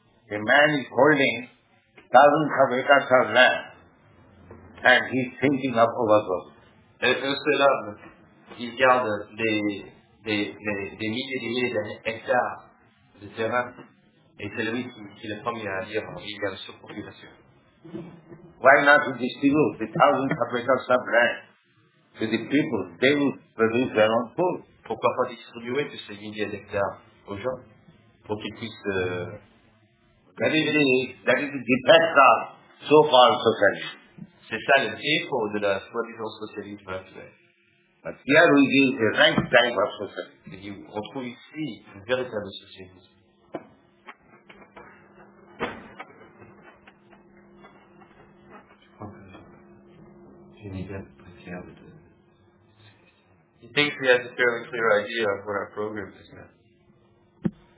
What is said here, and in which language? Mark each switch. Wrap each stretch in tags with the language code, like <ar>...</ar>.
<en>A man is holding thousands of acres of land and he's thinking of overgrowth.</en> <fr>Un seul homme, il garde des milliers et milliers d'hectares de terrain. Et c'est lui qui est le premier à dire qu'il y a une surpopulation.</fr> <en>Why not to distribute the thousands of acres of land to the people? They will produce their own food.</en> <fr>Pourquoi pas distribuer tous ces milliers d'hectares aux gens pour qu'ils puissent...</fr> <en>That is the defect of so-called socialism.</en> <fr>C'est ça le défaut de la soi-disant socialisme actuel.</fr> <en>But here we give the right type of socialism.</en> <fr>Et on trouve ici une véritable socialisme.</fr> <en>He thinks he has a fairly clear idea of what our program is now.</en>